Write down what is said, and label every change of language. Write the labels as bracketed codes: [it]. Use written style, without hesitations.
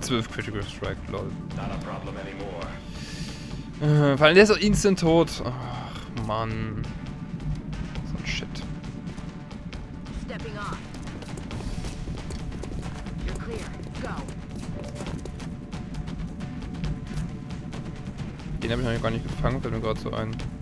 [en] Critical Strike, lol. Not a problem anymore. [de] Vor allem der ist doch instant tot. Ach, Mann. So ein Shit. [en] Stepping off. You're clear. Go. [de] Den habe ich noch gar nicht gefangen, fällt mir gerade so ein.